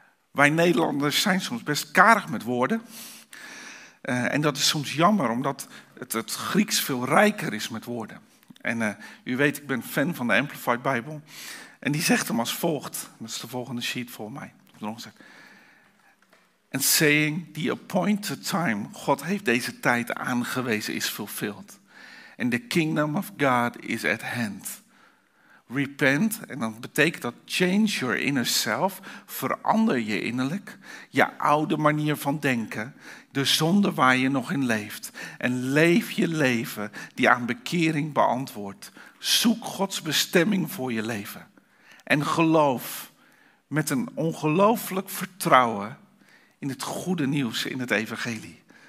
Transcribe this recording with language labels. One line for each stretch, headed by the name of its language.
Dutch: Wij Nederlanders zijn soms best karig met woorden. En dat is soms jammer, omdat het Grieks veel rijker is met woorden. En u weet, ik ben fan van de Amplified Bible. En die zegt hem als volgt. Dat is de volgende sheet voor mij.
English: And saying, the appointed time, God
Dutch: heeft deze tijd aangewezen,
English: is fulfilled. And the kingdom of God is at hand.
Dutch: Repent, en dan betekent dat
English: change your inner self,
Dutch: verander je innerlijk, je oude manier van denken, de zonde waar je nog in leeft. En leef je leven die aan bekering beantwoordt. Zoek Gods bestemming voor je leven. En geloof met een ongelooflijk vertrouwen in het goede nieuws in het evangelie.